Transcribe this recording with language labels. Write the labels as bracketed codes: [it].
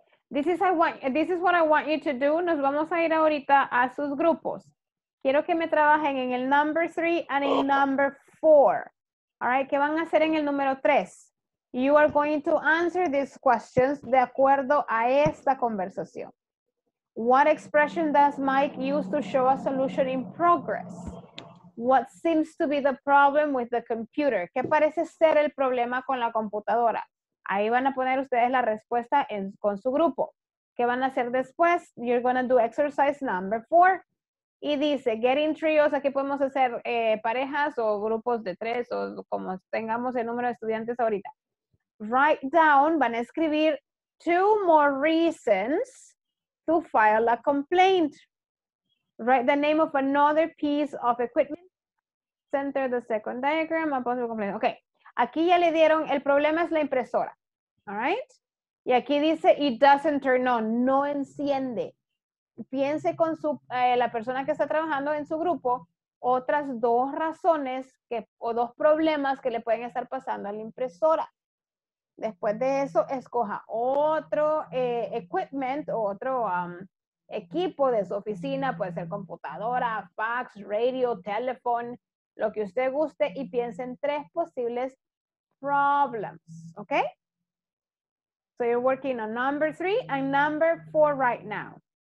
[en] This is what I want you to do. [es] Nos vamos a ir ahorita a sus grupos. Quiero que me trabajen en el [en] number 3 and in number 4. All right, [es] ¿qué van a hacer en el número 3? [en] You are going to answer these questions [es] de acuerdo a esta conversación. [en] What expression does Mike use to show a solution in progress? What seems to be the problem with the computer? [es] ¿Qué parece ser el problema con la computadora? Ahí van a poner ustedes la respuesta en, con su grupo. ¿Qué van a hacer después? [en] You're going to do exercise number 4. [es] Y dice, getting trios, aquí podemos hacer parejas o grupos de 3 o como tengamos el número de estudiantes ahorita. [en] Write down, [es] van a escribir [en] 2 more reasons to file a complaint. Write the name of another piece of equipment. Center the second diagram and possible complaint. Okay. [es] Aquí ya le dieron, el problema es la impresora. [en] All right. [es] Y aquí dice, [en] it doesn't turn on, [es] no enciende. Piense con su, la persona que está trabajando en su grupo, otras 2 razones que, o 2 problemas que le pueden estar pasando a la impresora. Después de eso, escoja otro equipment o otro equipo de su oficina, puede ser computadora, fax, radio, teléfono, lo que usted guste, y piense en 3 posibles problems, ¿ok? [en] So you're working on number 3 and number 4 right now.